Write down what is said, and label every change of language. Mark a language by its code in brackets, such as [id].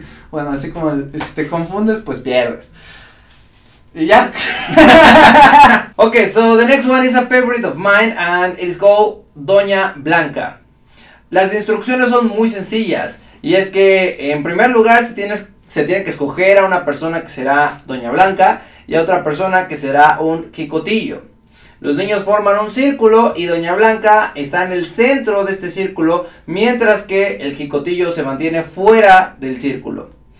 [es] Bueno, así como si te confundes, pues pierdes. Y ya. [en] Ok, so the next one is a favorite of mine and it's called Doña Blanca. [es] Las instrucciones son muy sencillas y es que en primer lugar se tiene que escoger a una persona que será Doña Blanca y a otra persona que será un Quicotillo. Los niños forman un círculo y Doña Blanca está en el centro de este círculo, mientras que el Quicotillo se mantiene fuera del círculo.